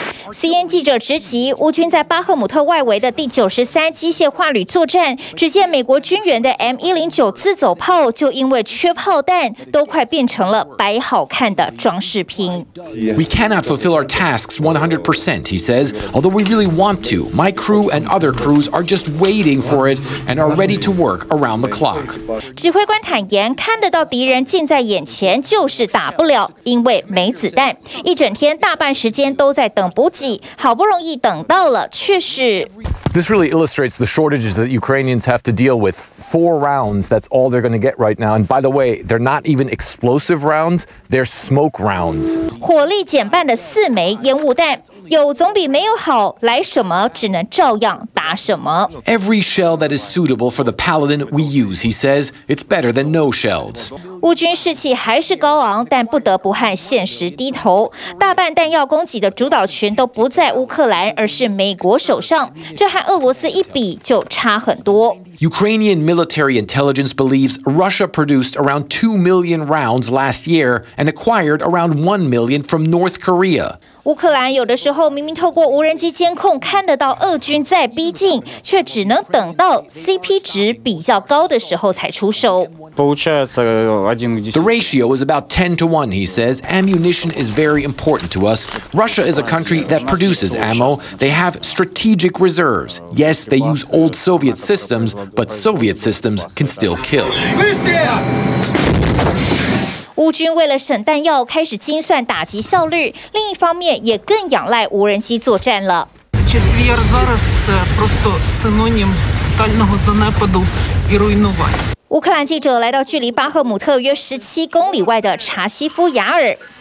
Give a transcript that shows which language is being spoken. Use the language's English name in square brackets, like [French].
[Chinese] CN 记者直击乌军在巴赫姆特外围的第93机械化旅作战，只见美国军援的 M109 自走炮就因为缺炮弹，都快变成了摆好看的装饰品。 [English] We cannot fulfill our tasks 100%, he says. Although we really want to, my crew and other crews are just waiting for it and are ready to work around the clock. [Chinese] 指挥官坦言，看得到敌人近在眼前，就是打不了，因为没子弹，一整天大半时间都在等补。好不容易等到了，却是。 [English] This really illustrates the shortages that Ukrainians have to deal with. Four rounds, that's all they're going to get right now. And by the way, they're not even explosive rounds, they're smoke rounds. [Chinese] 火力减半的四枚烟雾弹，有总比没有好，来什么只能照样打什么。 [English] Every shell that is suitable for the Paladin we use, he says, it's better than no shells. [Chinese] 乌军士气还是高昂，但不得不和现实低头。大半弹药供给的主导权都不在乌克兰，而是美国手上。这和俄罗斯一比就差很多。 [English] Ukrainian military intelligence believes Russia produced around 2 million rounds last year and acquired around 1 million from North Korea. [Chinese] 乌克兰有的时候明明透过无人机监控看得到俄军在逼近，却只能等到 CP 值比较高的时候才出手。 [English] The ratio is about 10-1, he says. Ammunition is very important to us. Russia is a country that produces ammo. They have strategic reserves. Yes, they use old Soviet systems, but Soviet systems can still kill. [Chinese] 乌军为了省弹药开始精算打击效率，另一方面也更仰赖无人机作战了。乌克兰记者来到距离巴赫姆特约17公里外的查西夫雅尔。